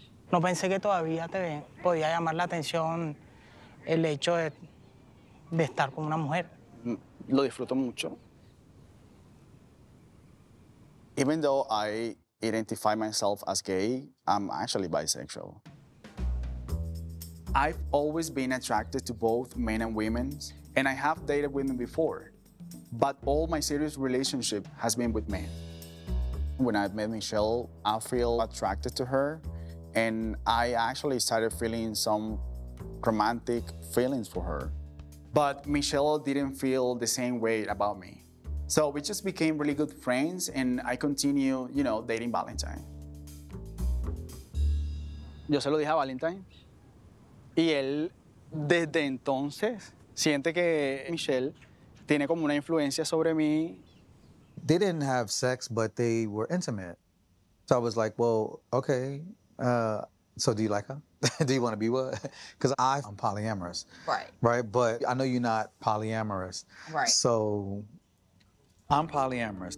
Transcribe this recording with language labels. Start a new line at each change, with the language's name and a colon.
Spanish: No pensé que todavía te podía llamar la atención el hecho de estar con una mujer. Lo disfruto mucho.
English: Even though I identify myself as gay, I'm actually bisexual. I've always been attracted to both men and women, and I have dated women before, but all my serious relationship has been with men. When I met Michelle, I feel attracted to her, and I actually started feeling some romantic feelings for her. But Michelle didn't feel the same way about me. So we just became really good friends, and I continue, you know, dating Valentine.
Spanish: Yo se lo dije a Valentine. Y él, desde entonces, siente que Michelle tiene como una influencia sobre mí.
English: They didn't have sex, but they were intimate. So I was like, well, okay. So do you like her? Do you want to be with her? Because I'm polyamorous. Right. Right? But I know you're not polyamorous. Right. So I'm polyamorous.